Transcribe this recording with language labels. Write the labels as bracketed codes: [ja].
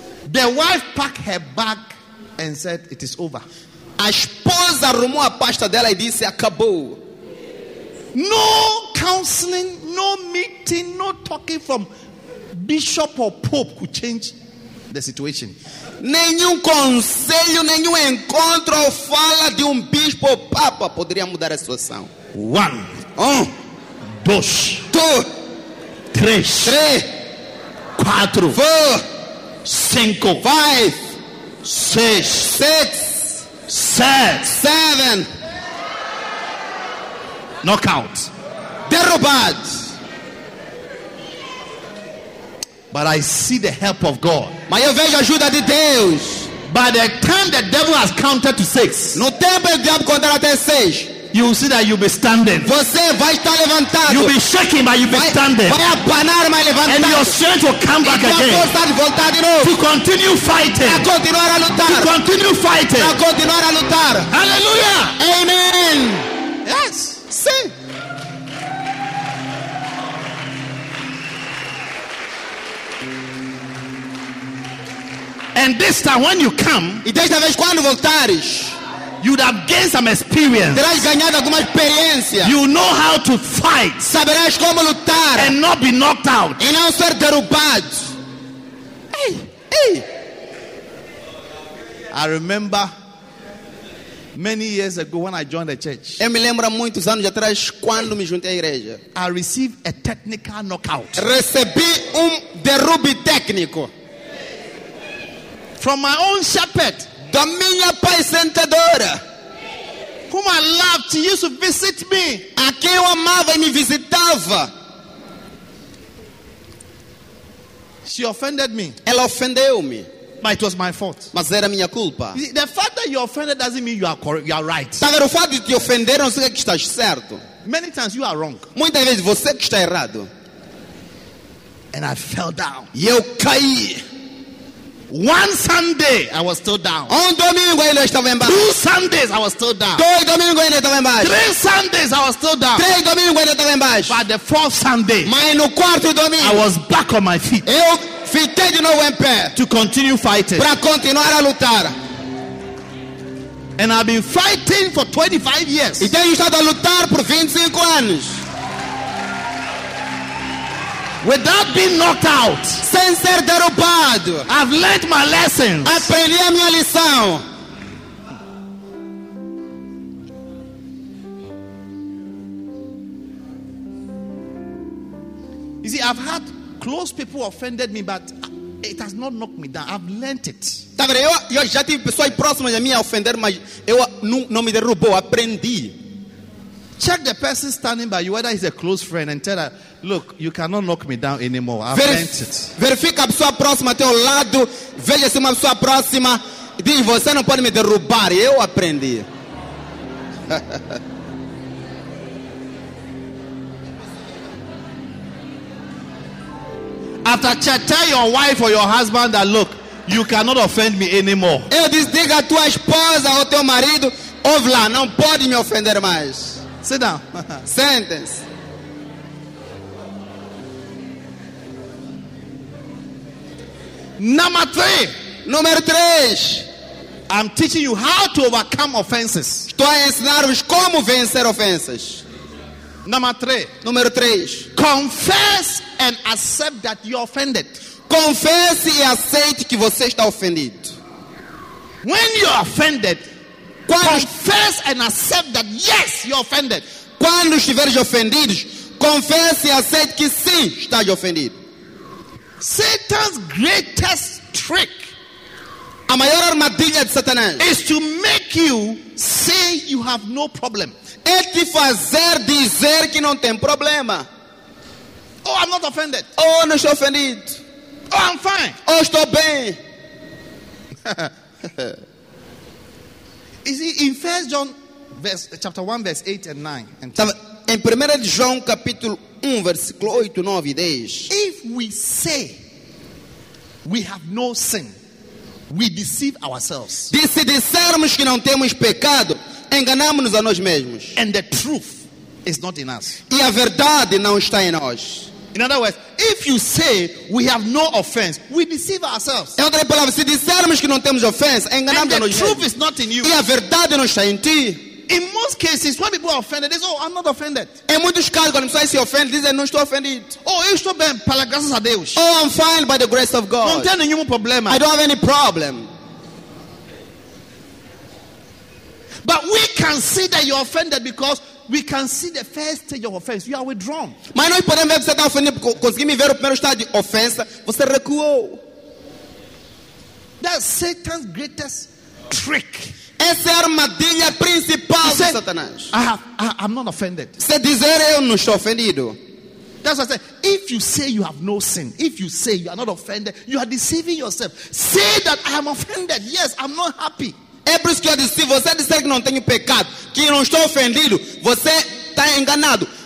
[en] The wife packed her bag and said, it is over. [pt] A esposa arrumou a pasta dela e disse, acabou. [en] No counseling, no meeting, no talking from bishop or pope could change the situation. [pt] Nenhum conselho, nenhum encontro ou fala de bispo ou papa poderia mudar a situação. [en] One. [pt] Um. Dois. Dois. Três. Três. Quatro. [en] Four. [pt] Cinco. [en] Five. [pt] Seis. [en] Six. Seven. Seven. Knockout. [pt] Derrubado. [en] But I see the help of God. [pt] Mas eu vejo a ajuda de Deus. [en] By the time the devil has counted to six, [pt] no tempo que o diabo contar até seis, [en] you will see that you'll be standing. [pt] Você vai estar levantado. [en] You'll be shaking, but you'll be standing. [pt] Vai abanar, mas levantado. [en] And your strength will come back again. [pt] E tua força de voltar de novo. [en] To continue fighting. [pt] A continuar a lutar. [en] To continue fighting. [pt] A continuar a lutar. Hallelujah. Amen. [en] Yes. [pt] Sim. [en] And this time when you come, [pt] e desta vez quando voltares, [en] you'd have gained some experience. [pt] Terás ganhado alguma experiência. [en] You know how to fight. [pt] Saberás como lutar. [en] And not be knocked out. [pt] E não ser derrubado. Hey, hey. [en] I remember many years ago when I joined the church. [pt] Eu me lembro muitos anos atrás quando me juntei à igreja. [en] I received a technical knockout. [pt] Recebi derrube técnico. [en] From my own shepherd, [pt] da minha apacentadora, [en] whom I loved, she used to visit me. [pt] A quem eu amava e me visitava. [en] She offended me. [pt] Ela ofendeu-me. [en] But it was my fault. [pt] Mas era minha culpa. [en] The fact that you offended doesn't mean you are right. [pt] Tá vendo, o fato de te ofender não significa que estás certo. [en] Many times you are wrong. [pt] Muitas vezes você que está errado. [en] And I fell down. [pt] E eu caí. [en] One Sunday, I was still down. [pt] Um domingo ainda estava embaixo. [en] Two Sundays, I was still down. [pt] Dois domingos ainda estava embaixo. [en] Three Sundays, I was still down. [pt] Três domingos ainda estava embaixo. [en] But the fourth Sunday, [pt] mas no quarto domingo, [en] I was back on my feet. [pt] Eu fiquei de novo em pé. [en] To continue fighting. [pt] Para continuar a lutar. [en] And I've been fighting for 25 years. [pt] E tenho estado a lutar por 25 anos. [en] Without being knocked out, [pt] sem ser derrubado, [en] I've learned my lessons. [pt] Aprendi a minha lição. [en] You see, I've had close people offended me, but it has not knocked me down. I've learned it. [pt] Tá vendo? Eu já tive pessoas próximas a mim a ofender, mas eu não me derrubou. Aprendi. [en] Check the person standing by you, whether he's a close friend, and tell her, look, you cannot knock me down anymore. I've learned it. [pt] Verifica a pessoa próxima ao teu lado. Veja se uma pessoa próxima Diz, você não pode me derrubar. Eu aprendi. [en] After church, tell your wife or your husband that look, you cannot offend me anymore. [pt] Eu disse, diga a tua esposa ou teu marido, ouve lá, não pode me ofender mais. [en] Sit down. Sentence. Number three. [pt] Número 3. [en] I'm teaching you how to overcome offenses. [pt] Estou a ensinar-vos como vencer ofensas. [en] Number 3. [pt] Número 3. [en] Confess and accept that you are offended. [pt] Confesse e aceite que você está ofendido. [en] When you are offended, confess and accept that yes, you are offended. [pt] Quando estiveres ofendidos, confesse e aceite que sim, estás ofendido. [en] Satan's greatest trick, [pt] a maior armadilha de Satanás, [en] is to make you say you have no problem. [pt] É te fazer dizer que não tem problema. [en] Oh, I'm not offended. [pt] Oh, não estou ofendido. [en] Oh, I'm fine. [pt] Oh, estou bem. [en] Is it in 1 John verse, chapter 1, verse 8 and 9? And 10. [pt] Em 1 João, capítulo 1, versículo 8, 9 e 10. [en] If we say we have no sin, we deceive ourselves. [pt] De se dissermos que não temos pecado, enganamos-nos a nós mesmos. [en] And the truth is not in us. [pt] E a verdade não está em nós. [en] In other words, if you say we have no offense, we deceive ourselves. [pt] Em outras palavras, se dissermos que não temos ofensa, enganamos-nos. [en] And the truth is not in you. [pt] E a verdade não está em ti. [en] In most cases, when people are offended, they say, "Oh, I'm not offended." [pt] Em muitos casos, quando pessoas se ofendem, dizem, "Não estou ofendido." Oh, eu estou bem, pela graça a Deus. [en] Oh, I'm fine by the grace of God. [pt] Não tenho nenhum problema. [en] I don't have any problem. But we can see that you're offended because we can see the first stage of offense. You are withdrawn. [pt] Mas nós podemos ver que você está ofendido. Conseguimos ver o primeiro estado de ofensa. Você recuou. [en] That's Satan's greatest trick. [pt] Essa é a armadilha principal de Satanás. [en] I'm not offended. [pt] Você dizer eu não estou ofendido. [en] That's what I said. If you say you have no sin, if you say you are not offended, you are deceiving yourself. Say that I am offended. Yes, I'm not happy. [pt] É por isso que eu disse, se você disser que não tenho pecado, que não estou ofendido, você está enganado.